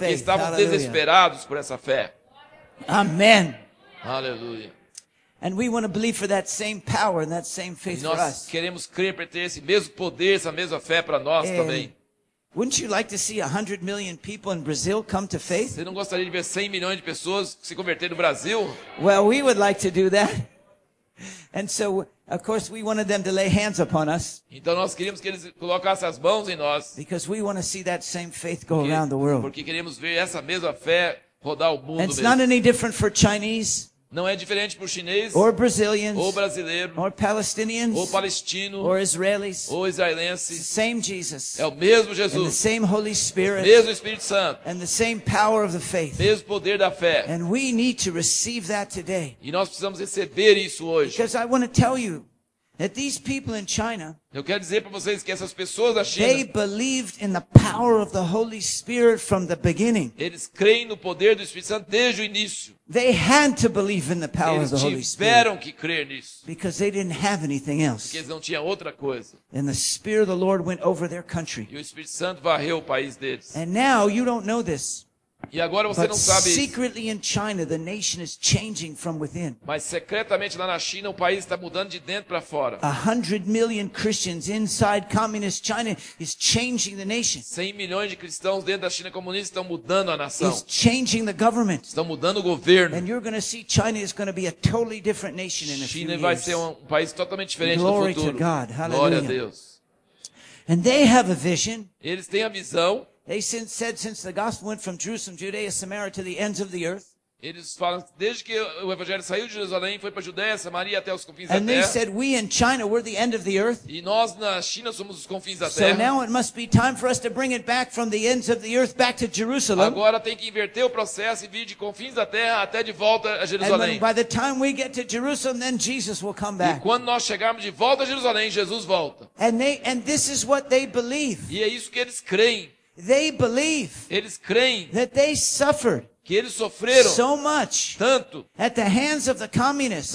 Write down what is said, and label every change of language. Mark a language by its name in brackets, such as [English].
[Portuguese] Porque estavam desesperados por essa fé. Amen. Hallelujah. [English] And we want to believe for that same power and that same faith for us. [Portuguese] Nós queremos crer para ter esse mesmo poder, essa mesma fé para nós também. [English] Wouldn't you like to see 100 million people in Brazil come to faith? [Portuguese] Você não gostaria de ver 100 milhões de pessoas se converterem no Brasil? [English] Well, we would like to do that. And so, of course, we wanted them to lay hands upon us. [Portuguese] Então nós queríamos que eles colocassem as mãos em nós. [English] Because we want to see that same faith go around the world. [Portuguese] Porque queremos ver essa mesma fé rodar o mundo mesmo. [English] And it's not any different for Chinese. [Portuguese] Não é diferente para o chinês, [English] or Brazilians, [Portuguese] ou brasileiro, [English] or Palestinians, [Portuguese] ou palestino, [English] or Israelis, [Portuguese] ou israelense. [English] Same Jesus, [Portuguese] é o mesmo Jesus, [English] and the same Holy Spirit, [Portuguese] o mesmo Espírito Santo, [English] and the same power of the faith, [Portuguese] mesmo poder da fé. [English] And we need to receive that today. [Portuguese] E nós precisamos receber isso hoje. [English] Because I want to tell you that these people in China, [Portuguese] eu quero dizer para vocês que essas pessoas da China, [English] they believed in the power of the Holy Spirit from the beginning. [Portuguese] Eles creem no poder do Espírito Santo desde o início. [English] They had to believe in the power of the Holy Spirit. [Portuguese] Eles tiveram que crer nisso. [English] Because they didn't have anything else. [Portuguese] Porque eles não tinham outra coisa. [English] And the Spirit of the Lord went over their country. [Portuguese] E o Espírito Santo varreu o país deles. [English] And now you don't know this. [Portuguese] E agora você [English] but [Portuguese] não sabe [English] secretly [Portuguese] isso. [English] In China, the nation is changing from within. [Portuguese] Mas secretamente lá na China, o país está mudando de dentro para fora. [English] 100 million Christians inside communist China is changing the nation. [Portuguese] 100 milhões de cristãos dentro da China comunista estão mudando a nação. [English] It's changing the government. [Portuguese] Estão mudando o governo. [English] And you're going to see China is going to be a totally different nation in a few years. [Portuguese] China vai ser um país totalmente diferente no futuro. [English] Glory to God. Hallelujah. [Portuguese] Glória a Deus. [English] And they have a vision. [Portuguese] Eles têm a visão. [English] They said since the gospel went from Jerusalem, Judea, Samaria to the ends of the earth. [Portuguese] Eles falam desde que o evangelho saiu de Jerusalém foi para Judeia, Samaria até os confins da terra. [English] And they said we in China were the end of the earth. [Portuguese] E nós na China somos os confins da [English] so [Portuguese] terra. [English] So now it must be time for us to bring it back from the ends of the earth back to Jerusalem. [Portuguese] Agora tem que inverter o processo e vir de confins da terra até de volta a Jerusalém. [English] And by the time we get to Jerusalem, then Jesus will come back. [Portuguese] E quando nós chegarmos de volta a Jerusalém, Jesus volta. [English] And this is what they believe. [Portuguese] E é isso que eles creem. [English] They believe [Portuguese] eles creem [English] that they suffered [Portuguese] que eles sofreram [English] so much [Portuguese] tanto [English] at the hands of the communists